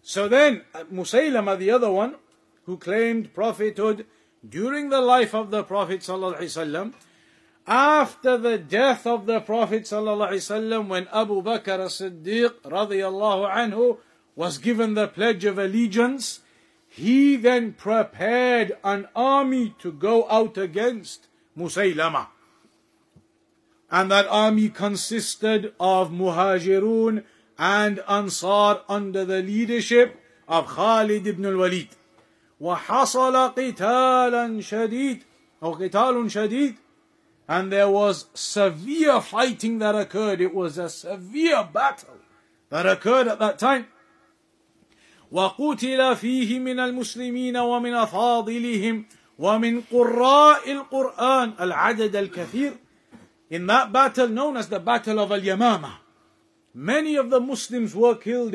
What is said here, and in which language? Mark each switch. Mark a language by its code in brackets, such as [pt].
[en] So then, Musaylamah, the other one, who claimed prophethood during the life of the Prophet [ar] صَلَّى اللَّهُ عَلَيْهِ وَسَلَّمْ, [en] after the death of the Prophet صَلَّى اللَّهُ عَلَيْهِ وَسَلَّمْ, when Abu Bakr as-Siddiq radiyallahu anhu was given the pledge of allegiance, he then prepared an army to go out against Musaylamah. And that army consisted of Muhajirun and Ansar under the leadership of Khalid ibn al-Walid. [ar] وَحَصَلَ قِتَالًا شَدِيدٌ أو قِتَالٌ شَدِيدٌ. [en] And there was severe fighting that occurred. It was a severe battle that occurred at that time. [ar] وَقُتِلَ فِيهِ مِنَ الْمُسْلِمِينَ وَمِنَ فَاضِلِهِمْ وَمِنْ قُرَّاءِ الْقُرْآنِ الْعَدَدَ الْكَثِيرِ. [en] In that battle, known as the Battle of Al-Yamamah, many of the Muslims were killed.